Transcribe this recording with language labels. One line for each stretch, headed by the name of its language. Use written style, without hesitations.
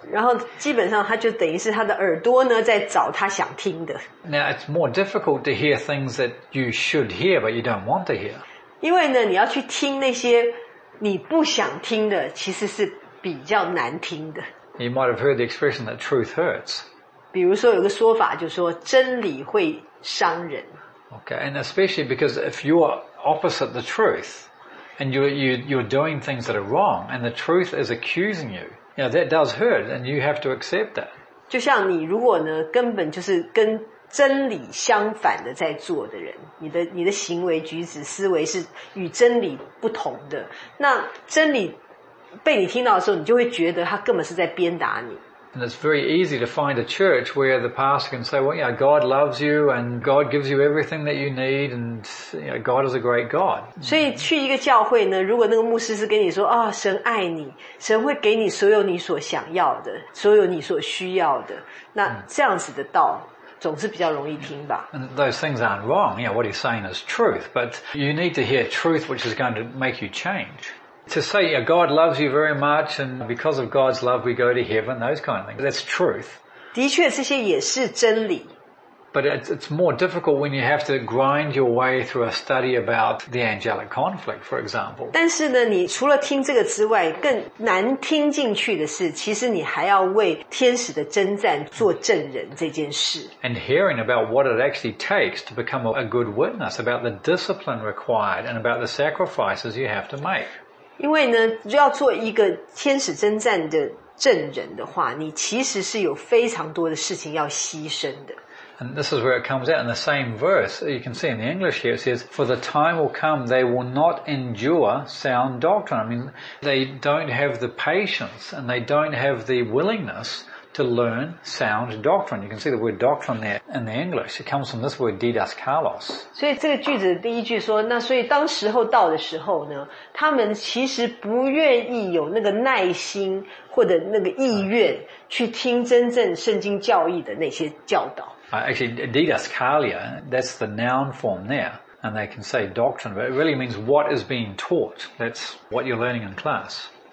Chinese: 然后基本上他就等于是他的耳朵呢在找他想听的。
English: Now it's more difficult to hear things that you should hear, but you don't want to hear.
Chinese: 因为呢你要去听那些你不想听的其实是比较难听的。
English: You might have heard the expression that truth hurts.
Chinese: 比如说有个说法就是说真理会伤人。
English: Okay, and especially because if you're opposite the truth, and you're doing things that are wrong, and the truth is accusing you, yeah, that does hurt, and you have to accept that.
Chinese: 就像你如果呢，根本就是跟真理相反的在做的人，你的行为举止思维是与真理不同的，那真理被你听到的时候，你就会觉得他根本是在鞭打你。
English: And it's very easy to find a church where the pastor can say, well, yeah, God loves you and God gives you everything that you need and you know, God is a great God.
Chinese: 所以去一个教会呢，如果那个牧师是跟你说，哦，神爱你，神会给你所有你所想要的，所有你所需要的，那这样子的道总是比较容易听吧。
English: And those things aren't wrong. You know, what he's saying is truth, but you need to hear truth which is going to make you change. To say, yeah, God loves you very much, and because of God's love, we go to heaven, those kind of things. That's truth.
Chinese: 的确这些也是真理。
English: But it's more difficult when you have to grind your way through a study about the angelic conflict, for example.
Chinese: 但是呢，你除了听这个之外，更难听进去的是，其实你还要为天使的征战做证人这件事。
English: And hearing about what it actually takes to become a good witness, about the discipline required, and about the sacrifices you have to make.
Chinese: 因为呢，要做一个天使征战的证人的话，你其实是有非常多的事情要牺牲的。
English: And this is where it comes out in the same verse. You can see in the English here, it says, for the time will come, they will not endure sound doctrine. I mean, they don't have the patience and they don't have the willingness to learn sound doctrine. You can see the word doctrine there in the English. It comes from this word, didaskalos.
Chinese: 所以这个句子第一句说，那所以当时候到的时候呢，他们其实不愿意有那个耐心或者那个意愿去听真正圣经教义的那些教导。
English: Actually, didaskalia, that's the noun form there. And they can say doctrine, but it really means what is being taught. That's what you're learning in class.